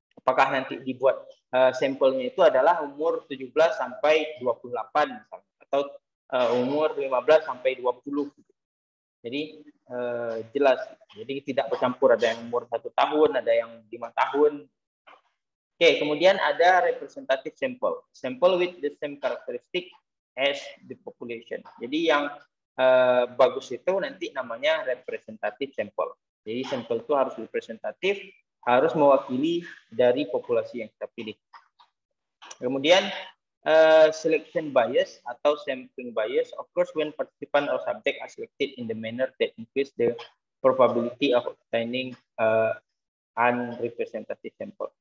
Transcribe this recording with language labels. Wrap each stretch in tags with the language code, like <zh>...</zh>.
<id>Apakah nanti dibuat sampelnya itu adalah umur 17 sampai 28 misalnya, atau umur 15 sampai 20. Gitu. Jadi jelas. Jadi tidak bercampur, ada yang umur 1 tahun, ada yang 5 tahun. Oke, kemudian ada representative sample.</id> <en>Sample with the same characteristic as the population.</en> <id>Jadi yang bagus itu nanti namanya representative sample. Jadi sampel itu harus representatif, harus mewakili dari populasi yang kita pilih.</id> <en>Kemudian selection bias atau sampling bias occurs when participant or subject are selected in the manner that increase the probability of obtaining unrepresentative sample.</en>